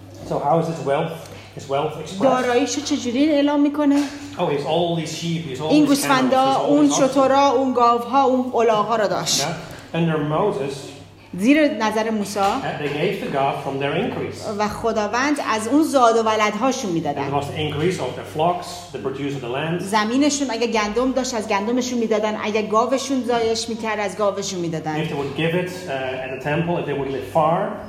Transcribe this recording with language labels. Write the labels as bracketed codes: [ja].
[en] So how is his wealth expressed? [fa] داراییشو چجوری اعلام میکنه؟ [en] Oh, he's all these sheep, he's all [fa] این گوسفندا، اون شتورا، اون گاوها، اون الاغا را داشت. [en] Yeah. Under Moses, [fa] زیر نظر موسی، [en] they gave to God from their increase. [fa] و خداوند از اون زاد و ولدهاشون میدادن. [en] They must increase of their flocks, the produce of the land. [fa] زمینشون اگه گندم داشت از گندمشون میدادن، اگه گاوشون زایش میکرد از گاوشون میدادن. [en] If they would give it at the temple, if they would live far.